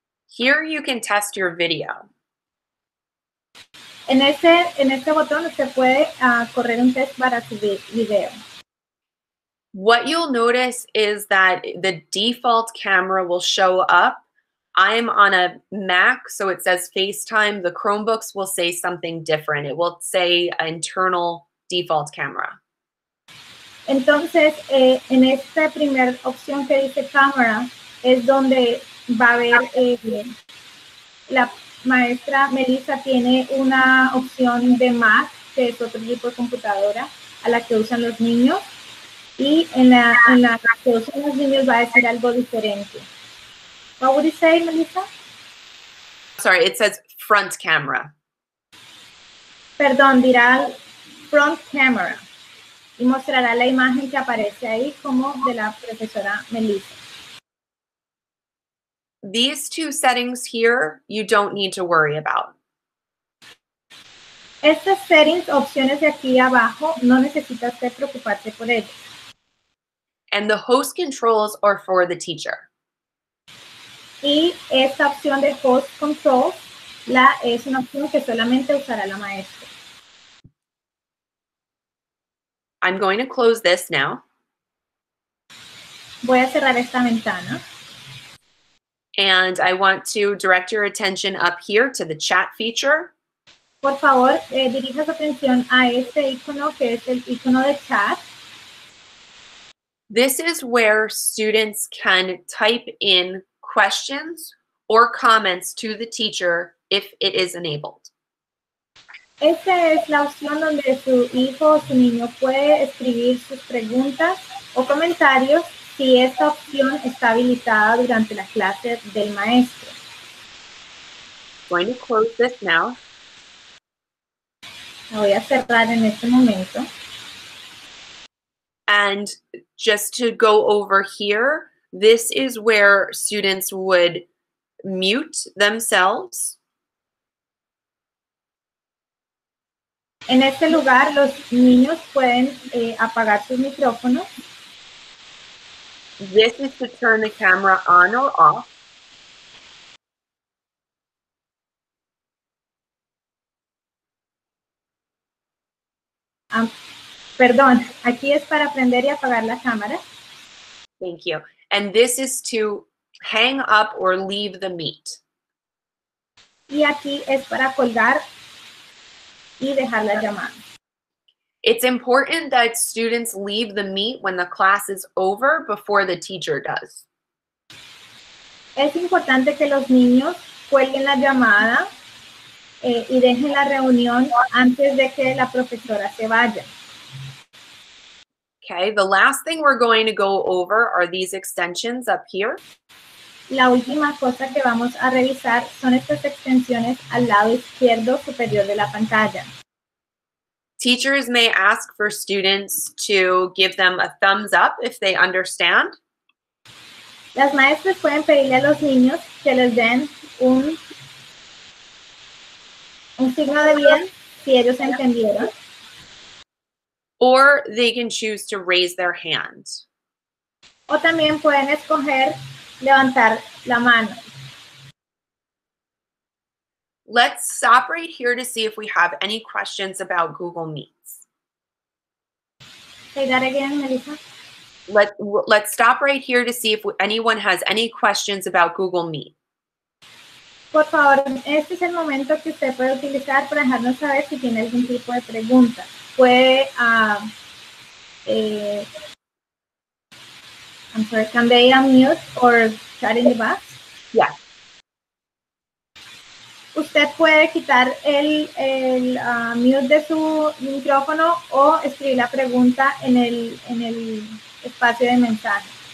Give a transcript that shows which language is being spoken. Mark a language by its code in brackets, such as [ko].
[en] Here you can test your video. [es] En este botón se puede correr un test para su video. [en] What you'll notice is that the default camera will show up. I'm on a Mac, so it says FaceTime. The Chromebooks will say something different. It will say internal default camera. [es] Entonces, en esta primera opción que dice cámara, es donde va a ver la maestra Melissa tiene una opción de Mac, que es otro tipo de computadora, a la que usan los niños. Y en la que usan los niños va a decir algo diferente. [en] What would you say, Melissa? Sorry, it says front camera. [es] Perdón, dirá front camera. Y mostrará la imagen que aparece ahí como de la profesora Melissa. [en] These two settings here, you don't need to worry about. [es] Estas settings, opciones de aquí abajo, no necesitas preocuparte por ellas. [en] And the host controls are for the teacher. [es] Y esta opción de host controls es una opción que solamente usará la maestra. [en] I'm going to close this now. [es] Voy a cerrar esta ventana. [en] And I want to direct your attention up here to the chat feature. [es] Por favor, dirija su atención a este icono que es el icono de chat. [en] This is where students can type in questions or comments to the teacher if it is enabled. [es] Esta es la opción donde su hijo o su niño puede escribir sus preguntas o comentarios si esta opción está habilitada durante la clase del maestro. [en] I'm going to close this now. [es] La voy a cerrar en este momento. [en] And just to go over here, this is where students would mute themselves. [es] En este lugar, los niños pueden apagar sus micrófonos. [en] This is to turn the camera on or off. [es] Perdón, aquí es para prender y apagar la cámara. [en] Thank you. And this is to hang up or leave the meet. [es] Y aquí es para colgar y dejar la llamada. [en] It's important that students leave the meet when the class is over before the teacher does. [es] Es importante que los niños cuelguen la llamada y dejen la reunión antes de que la profesora se vaya. [en] Okay, the last thing we're going to go over are these extensions up here. [es] La última cosa que vamos a revisar son estas extensiones al lado izquierdo superior de la pantalla. [en] Teachers may ask for students to give them a thumbs up if they understand. [es] Las maestras pueden pedirle a los niños que les den un signo de bien si ellos entendieron. [en] Or they can choose to raise their hands. [es] O también pueden escoger levantar la mano. [en] Let's stop right here to see if we have any questions about Google Meets. Say that again, Melissa. Let's stop right here to see if anyone has any questions about Google Meet. [es] Por favor, este es el momento que usted puede utilizar para dejarnos saber si tiene algún tipo de pregunta. Puede [en] I'm sorry, can they unmute or chat in the box? Yeah. [es] Usted puede quitar el mute de su micrófono o escribir la pregunta en el espacio de mensaje.